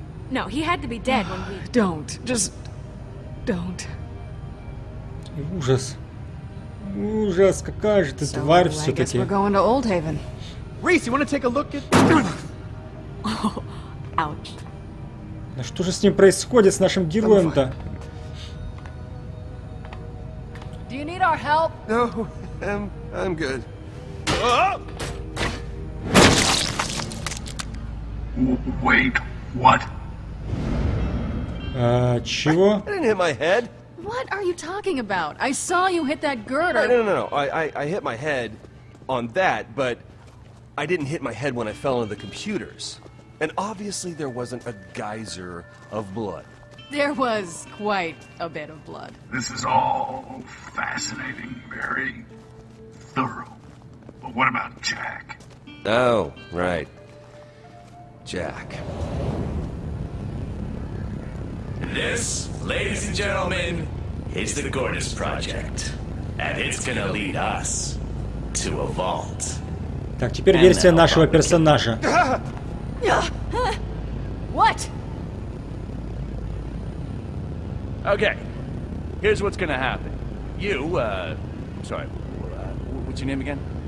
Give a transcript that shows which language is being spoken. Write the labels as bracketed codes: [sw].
[en] No, he had to be dead when we... Don't. Just... Don't. [ru] Ужас. Ужас, какая же ты [en] so, [ru] тварь well, все-таки. [en] I guess we're going to Old Haven. Reese, you want to take a look at... Oh, ouch. [ru] Да что же с ним происходит, с нашим героем-то? [en] Do you need our help? No, I'm good. Wait, what? [ru] Чего? [en] I didn't hit my head. What are you talking about? I saw you hit that girder. No. I hit my head on that, but I didn't hit my head when I fell into the computers. And obviously there wasn't a geyser of blood. There was quite a bit of blood. This is all fascinating, very thorough. But what about Jack? Oh, right. Jack. This, ladies and gentlemen, is the Gordis Project. And it's gonna lead us to a vault. [ru] Так, теперь версия нашего персонажа. [en] What? Okay, here's what's gonna happen. What's your name again?